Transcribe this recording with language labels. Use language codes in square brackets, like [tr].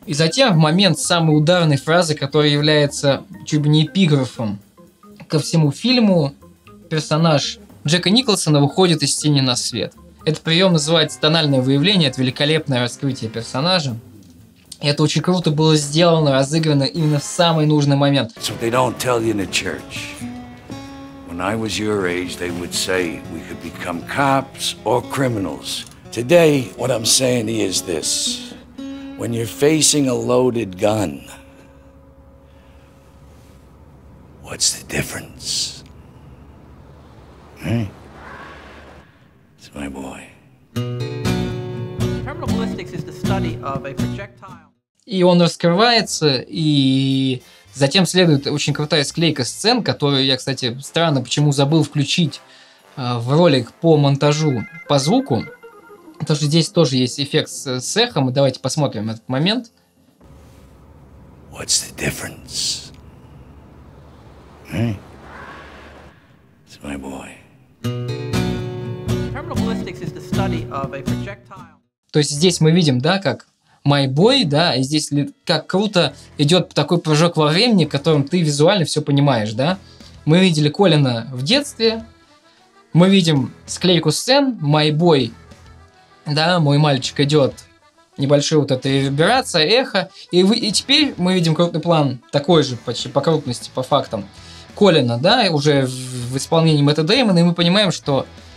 [ru] И затем в момент самой ударной фразы, которая является чуть ли не эпиграфом ко всему фильму, персонаж Джека Николсона выходит из тени на свет. Этот прием называется тональное выявление, это великолепное раскрытие персонажа. И это очень круто было сделано, разыграно именно в самый нужный момент. [en] So they don't tell you in the church. When I was your age, they would say we could become cops or criminals. Today, what I'm saying is this. When you're facing a loaded gun, what's the difference? Hey? It's my boy. Criminal ballistics is the study of a projectile. [ru] И он раскрывается, и затем следует очень крутая склейка сцен, которую я, кстати, странно почему забыл включить в ролик по монтажу по звуку, потому что здесь тоже есть эффект с эхом, и давайте посмотрим этот момент. [en] What's the difference? Hey? It's my boy. Criminal ballistics is the study of a projectile. [ru] То есть здесь мы видим, да, как [en] My Boy, [ru] да, и здесь как круто идет такой прыжок во времени, которым ты визуально все понимаешь, да. Мы видели Колина в детстве, мы видим склейку сцен, [en] My Boy, [ru] да, мой мальчик идет, небольшая вот эта реверберация, эхо, и теперь мы видим крупный план, такой же почти по крупности, по фактам, Колина, да, уже в исполнении Мэтта Дэймона, и мы понимаем, что